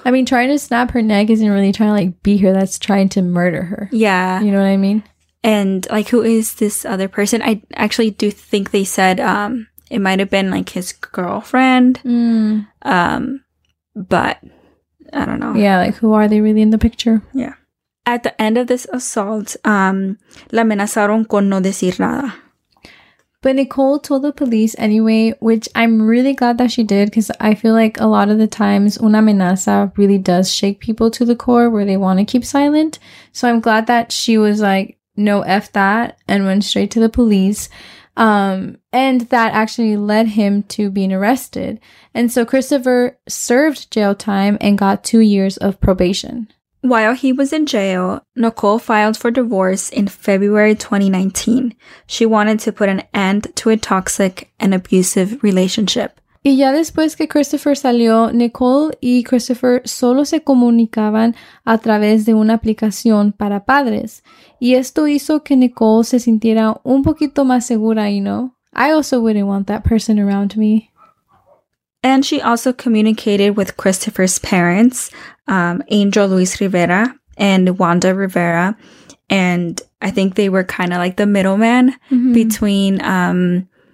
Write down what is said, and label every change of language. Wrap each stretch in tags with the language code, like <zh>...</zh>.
<en>I mean, trying to snap her neck isn't really trying to, like, beat her. That's trying to murder her. Yeah. You know what I mean? And, like, who is this other person? I actually do think they said... It might have been, like, his girlfriend, but I don't know. Yeah, like, who are they really in the picture? Yeah. At the end of this assault,</en> <es>la amenazaron con no decir nada.</es> <en>But Nicole told the police anyway, which I'm really glad that she did, because I feel like a lot of the times,</en> <es>una amenaza</es> <en>really does shake people to the core where they want to keep silent. So I'm glad that she was like, no, F that, and went straight to the police. And that actually led him to being arrested. And so Christopher served jail time and got 2 years of probation. While he was in jail, Nicole filed for divorce in February 2019. She wanted to put an end to a toxic and abusive relationship.</en> <es>Y ya después que Christopher salió, Nicole y Christopher solo se comunicaban a través de una aplicación para padres. Y esto hizo que Nicole se sintiera un poquito más segura,</es> <en>you know? I also wouldn't want that person around me. And she also communicated with Christopher's parents, Angel Luis Rivera and Wanda Rivera. And I think they were kind of like the middleman between the</en>